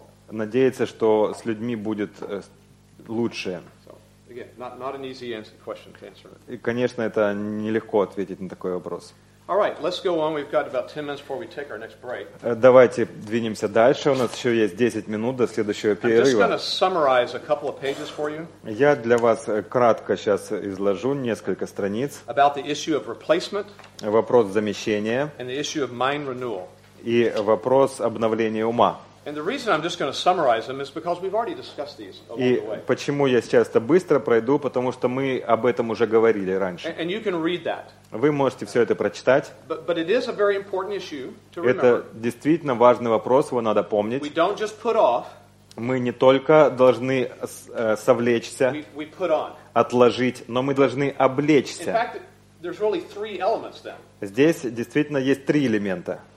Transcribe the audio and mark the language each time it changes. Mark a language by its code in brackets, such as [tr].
[ru] Надеется, что с людьми будет лучшее. И, конечно, это нелегко ответить на такой вопрос. [en] All right, let's go on. We've got about 10 minutes before we take our next break. [ru] Давайте двинемся дальше. У нас еще есть 10 минут до следующего перерыва. [en] I'm just going to summarize a couple of pages for you. [ru] Я для вас кратко сейчас изложу несколько страниц. [en] About the issue of replacement. [ru] Вопрос замещения. [en] And the issue of mind renewal. [ru] И вопрос обновления ума. [en] And the reason I'm just going to summarize them is because we've already discussed these along the way. [ru] И почему я сейчас это быстро пройду, потому что мы об этом уже говорили раньше. [en] And you can read that. [ru] Вы можете все это прочитать. [en] But it is a very important issue to remember. [ru] Это действительно важный вопрос, его надо помнить. [en] We don't just put off. [ru] Мы не только должны совлечься, [en] we put on. [ru] Отложить, но мы должны облечься. [en] In fact, there's really three elements then. [ru] Здесь действительно есть три элемента.